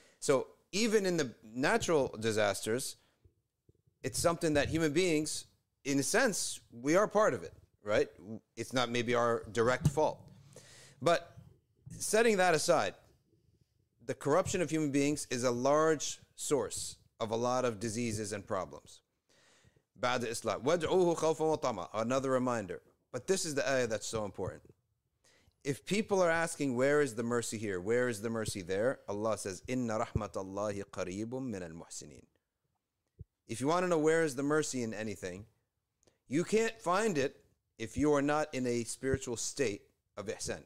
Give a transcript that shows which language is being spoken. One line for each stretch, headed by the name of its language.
English: So even in the natural disasters, it's something that human beings, in a sense, we are part of it, right? It's not maybe our direct fault. But setting that aside, the corruption of human beings is a large source of a lot of diseases and problems.
Arabic: بعد إصلاح وَدْعُوهُ خَوْفًا وَطَمَعًا.
English: Another reminder. But this is the ayah that's so important. If people are asking, where is the mercy here? Where is the mercy there? Allah says,
Arabic: إِنَّ رَحْمَةَ اللَّهِ قَرِيبٌ مِّنَ الْمُحْسِنِينَ.
English: If you want to know where is the mercy in anything, you can't find it if you are not in a spiritual state of ihsan.